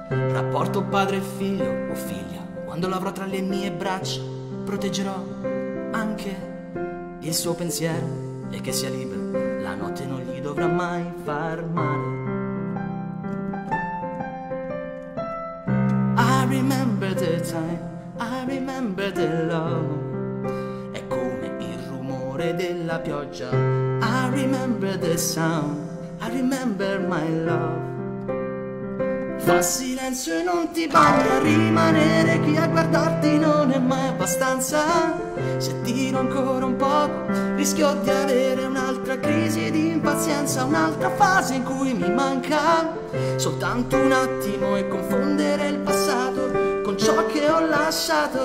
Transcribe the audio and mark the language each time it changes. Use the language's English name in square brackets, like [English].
[Italian] Rapporto padre e figlio o figlia. Quando l'avrò tra le mie braccia proteggerò anche il suo pensiero e che sia libero. La notte non gli dovrà mai far male. [English] I remember the time, I remember the love. [Italian] È come il rumore della pioggia. [English] I remember the sound, I remember my love. [Italian] Fa silenzio e non ti bagna. Rimanere qui a guardarti non è mai abbastanza. Se tiro ancora un po', rischio di avere un'altra crisi di impazienza. Un'altra fase in cui mi manca soltanto un attimo e confondere il passato con ciò che ho lasciato.